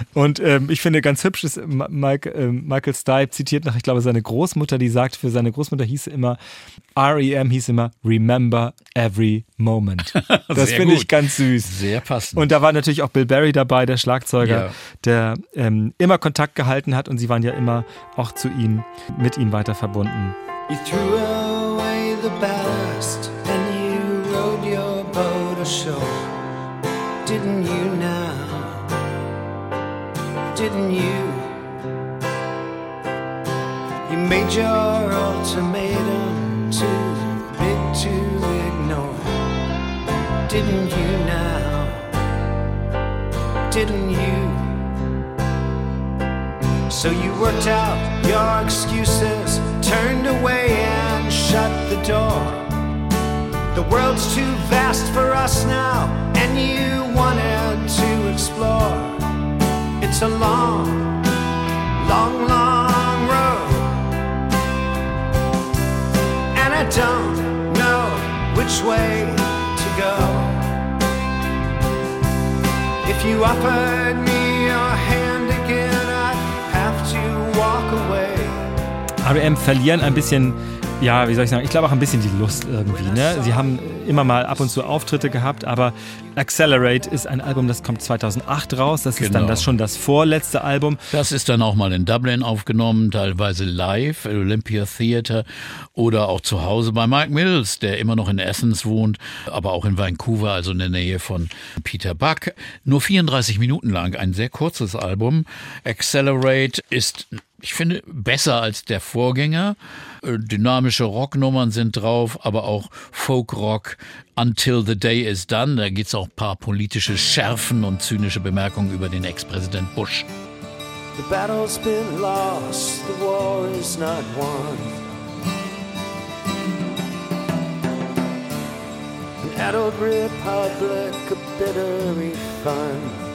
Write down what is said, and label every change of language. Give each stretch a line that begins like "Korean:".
German: Und ich finde ganz hübsch, dass Michael Stipe zitiert nach, ich glaube, seine Großmutter, die sagt, für seine Großmutter hieß immer, REM hieß immer,
English: Remember Every Moment.
German: Das finde ich ganz süß. Sehr passend. Und da war natürlich auch Bill Berry dabei, der Schlagzeuger, der immer Kontakt gehalten hat, und sie waren ja immer auch zu ihm, mit ihm weiter verbunden.
English: You threw away the ballast and you rode your boat ashore. Didn't you now? Didn't you? You made your ultimatum too big to ignore. didn't you now? Didn't you? So you worked out your excuses, turned away and shut the door. The world's too vast for us now, and you wanted to explore. It's a long, long, long road, and I don't know which way to go. If you offered me your hand again, I'd have to walk away.
German: REM verlieren ein bisschen. Ja, wie soll ich sagen? Ich glaube auch ein bisschen die Lust irgendwie. Ne? Sie haben immer mal ab und zu Auftritte gehabt, aber Accelerate ist ein Album, das kommt 2008 raus. Das genau. Ist dann das schon das vorletzte Album. Das ist dann auch mal in Dublin aufgenommen, teilweise live, Olympia Theater oder auch zu Hause bei Mike Mills, der immer noch in Athens wohnt, aber auch in Vancouver, also in der Nähe von Peter Buck. Nur 34 Minuten lang, ein sehr kurzes Album. Accelerate ist, ich finde, besser als der Vorgänger. Dynamische Rocknummern sind drauf, aber auch Folkrock, Until the Day is Done. Da gibt es auch ein paar politische Schärfen und zynische Bemerkungen über den Ex-Präsident Bush.
English: The battle's been lost, the war is not won. An adult republic, a bitter refund.